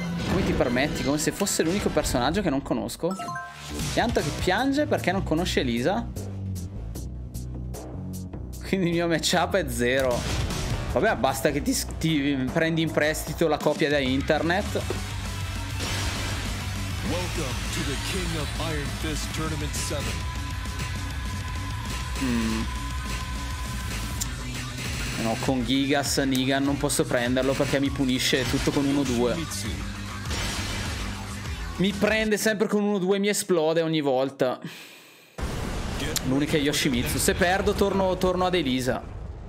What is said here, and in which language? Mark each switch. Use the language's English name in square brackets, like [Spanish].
[Italian] Come ti permetti? Come se fosse l'unico personaggio che non conosco. Pianto che piange perché non conosce Elisa. Quindi il mio matchup è zero. Vabbè, basta che ti prendi in prestito la copia da internet. [English] Welcome to the King of Iron Fist Tournament 7. [Italian] No, con Gigas Negan non posso prenderlo perché mi punisce tutto con 1-2. Mi prende sempre con 1-2 e mi esplode ogni volta. L'unica è Yoshimitsu. Se perdo torno ad Elisa.